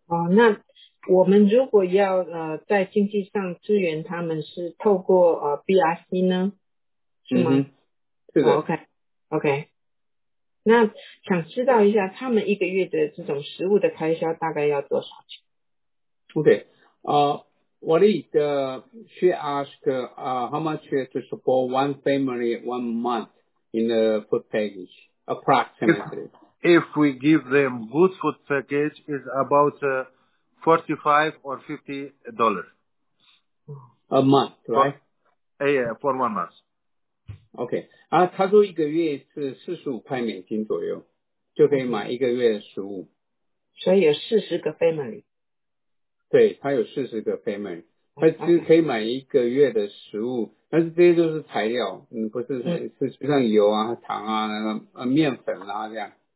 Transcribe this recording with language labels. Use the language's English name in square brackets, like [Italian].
[Chinese] 那我们如果要在经济上支援他们是透过BRC 呢，是吗？嗯，是的。 [English] OK。 [Chinese] 那想知道一下他们一个月的这种食物的开销大概要多少钱？ [English] OK， Walid, she asked how much to support one family one month in the food package approximately. If we give them good food package is about $45 or $50. A month, right? For 1 month. [Chinese] OK， 他说一个月是$45左右，就可以买一个月的食物。所以有40个 family。对，他有40个 family， 他其实可以买一个月的食物，但是这些都是材料，不是是像油啊、糖啊、那个面粉啊这样。